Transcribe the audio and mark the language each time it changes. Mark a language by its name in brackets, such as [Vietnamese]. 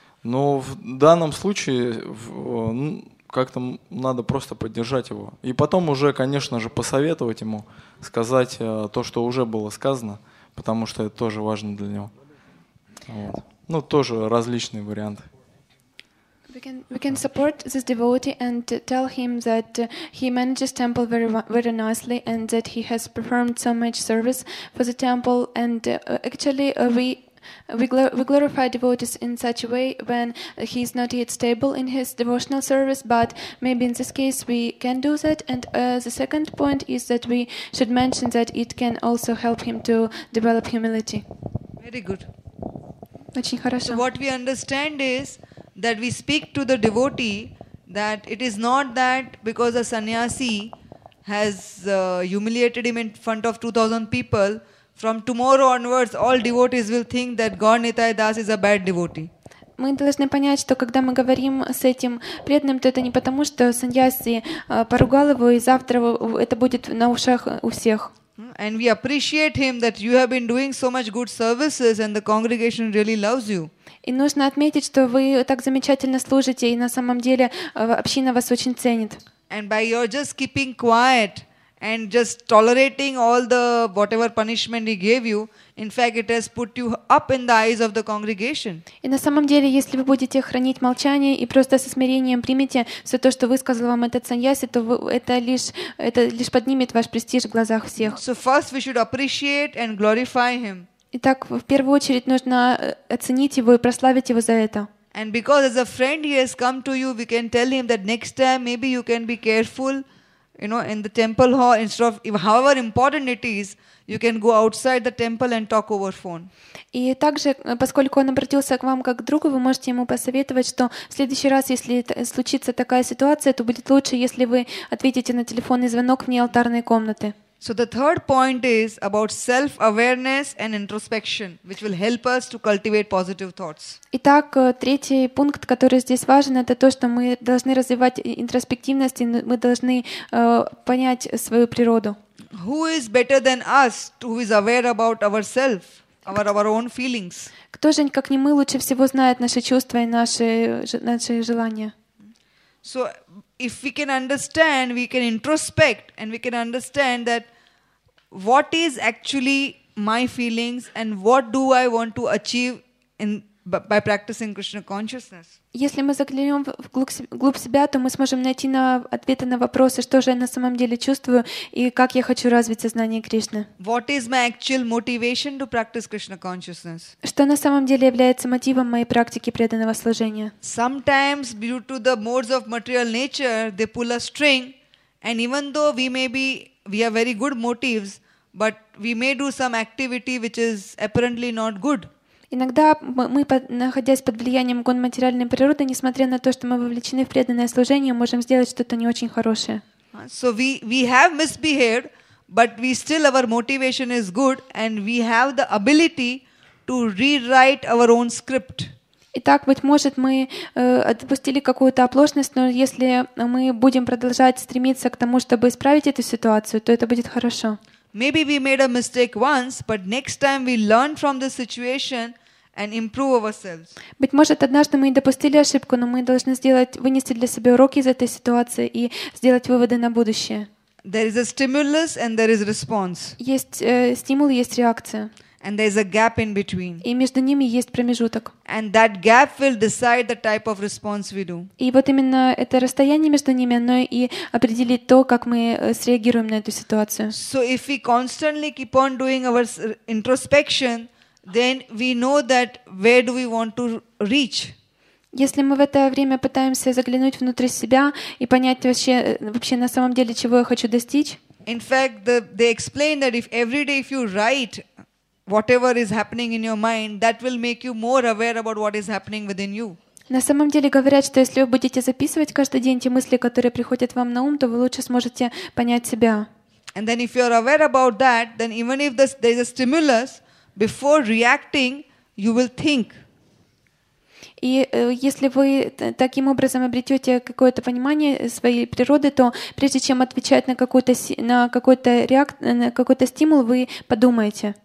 [Russian] Но в данном случае ну, как-то надо просто поддержать его. И потом уже, конечно же, посоветовать ему сказать то, что уже было сказано, потому что это тоже важно для него. Вот. Ну, тоже различные варианты. [English] We can support this devotee and tell him that he manages temple very nicely and that he has performed so much service for the temple. And actually, we glorify devotees in such a way when he is not yet stable in his devotional service. But maybe in this case we can do that. And the second point is that we should mention that it can also help him to develop humility. Very good. [Russian] Очень хорошо. [English] So what we understand is. That we speak to the devotee, that it is not that because a sannyasi has humiliated him in front of 2,000 people, from tomorrow onwards all devotees will think that God Nitai Das is a bad devotee. [Russian] Мы должны понять, что когда мы говорим с этим преданным, то это не потому, что сандьяси поругал его, и завтра это будет на ушах у всех. [English] And we appreciate him that you have been doing so much good services and the congregation really loves you. [Russian] И нужно отметить, что вы так замечательно служите, и на самом деле община вас очень ценит. [English] And by your just keeping quiet and just tolerating all the whatever punishment he gave you, in fact, it has put you up in the eyes of the congregation. [Russian] И на самом деле, если вы будете хранить молчание и просто со смирением примете все то, что высказал вам этот саньяси, то это лишь поднимет ваш престиж в глазах всех. [English] So first we should appreciate and glorify him. [Russian] Итак, в первую очередь нужно оценить его и прославить его за это. [English] And because as a friend he has come to you, we can tell him that next time maybe you can be careful, you know, in the temple hall instead of, however important it is, you can go outside the temple and talk over phone. [Russian] И также, поскольку он обратился к вам как к другу, вы можете ему посоветовать, что в следующий раз, если случится такая ситуация, то будет лучше, если вы ответите на телефонный звонок вне алтарной комнаты. [English] So the third point is about self-awareness and introspection, which will help us to cultivate positive thoughts. [Russian] Итак, третий пункт, который здесь важен, это то, что мы должны развивать интроспективность, и мы должны понять свою природу. [English] Who is better than us, who is aware about ourselves, our own feelings? [Russian] Кто же, как не мы, лучше всего знает наши чувства и наши желания? [English] So if we can understand, we can introspect and we can understand that what is actually my feelings and what do I want to achieve by practicing Krishna consciousness. [Russian] Если мы заглянем вглубь себя, то мы сможем найти ответы на вопросы, что же я на самом деле чувствую и как я хочу развить сознание Кришны. [English] What is my actual motivation to practice Krishna consciousness? [Russian] Что на самом деле является мотивом моей практики преданного служения? [English] Sometimes due to the modes of material nature, they pull a string, and even though we have very good motives, but we may do some activity which is apparently not good. [Russian] Иногда мы, находясь под влиянием гун материальной природы, несмотря на то, что мы вовлечены в преданное служение, можем сделать что-то не очень хорошее. [English] So we have misbehaved, but we still our motivation is good, and we have the ability to rewrite our own script. [Russian] Итак, быть может, мы допустили какую-то оплошность, но если мы будем продолжать стремиться к тому, чтобы исправить эту ситуацию, то это будет хорошо. [English] Maybe we made a mistake once, but next time we learn from the situation and improve ourselves. [Russian] Быть может, однажды мы допустили ошибку, но мы должны сделать, вынести для себя уроки из этой ситуации и сделать выводы на будущее. [English] There is a stimulus and there is response. [Russian] Есть стимул, есть реакция. [English] And there is a gap in between. [Russian] И между ними есть промежуток. [English] And that gap will decide the type of response we do. [Russian] И вот именно это расстояние между ними, оно и определит то, как мы среагируем на эту ситуацию. [English] So if we constantly keep on doing our introspection, then we know that where do we want to reach? [Russian] Если мы в это время пытаемся заглянуть внутрь себя и понять вообще на самом деле, чего я хочу достичь. [English] In fact, they explain that if every day if you write whatever is happening in your mind, that will make you more aware about what is happening within you. [Russian] На самом деле говорят, что если вы будете записывать каждый день те мысли, которые приходят вам на ум, то вы лучше сможете понять себя. [English] And then if you are aware about that, then even if there is a stimulus, before reacting, you will think. [Russian] И если вы таким образом обретете какое-то понимание своей природы, то прежде чем отвечать на какой-то стимул, вы подумаете.